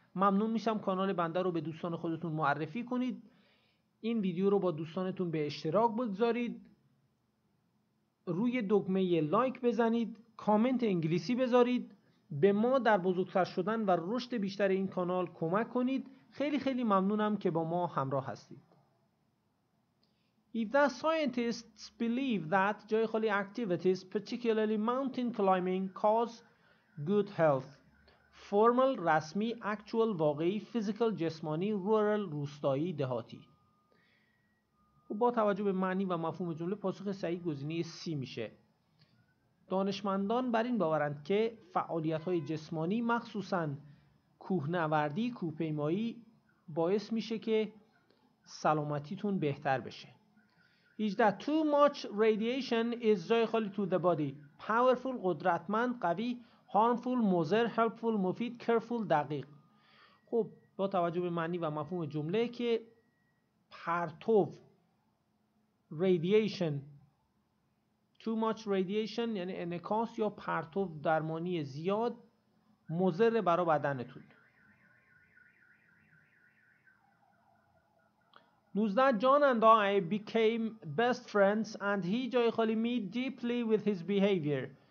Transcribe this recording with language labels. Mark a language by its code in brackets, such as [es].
[fa] ممنون میشم کانال بنده رو به دوستان خودتون معرفی کنید، این ویدیو رو با دوستانتون به اشتراک بگذارید، روی دکمه لایک بزنید، کامنت انگلیسی بذارید، به ما در بزرگتر شدن و رشد بیشتر این کانال کمک کنید. خیلی خیلی ممنونم که با ما همراه هستید. [en] If the scientists believe that joy holy activities, particularly mountain climbing, cause good health, [fa] فرمال، رسمی، اکچوال، واقعی، فیزیکال، جسمانی، رورال، روستایی، دهاتی. با توجه به معنی و مفهوم جمله پاسخ صحیح گزینه سی میشه. دانشمندان بر این باورند که فعالیت‌های جسمانی مخصوصاً کوهنوردی، کوهپیمایی باعث میشه که سلامتیتون بهتر بشه. 18. [en] Too much radiation is harmful to the body. [fa] Powerful، قدرتمند، قوی، harmful، مضر، helpful، مفید، careful، دقیق. خب با توجه به معنی و مفهوم جمله که پرتو radiation، too much radiation یعنی انعکاس یا پرتو درمانی زیاد مضر برای بدنتون. 19. [en] John and I became best friends and he جای خالی me deeply with his behavior.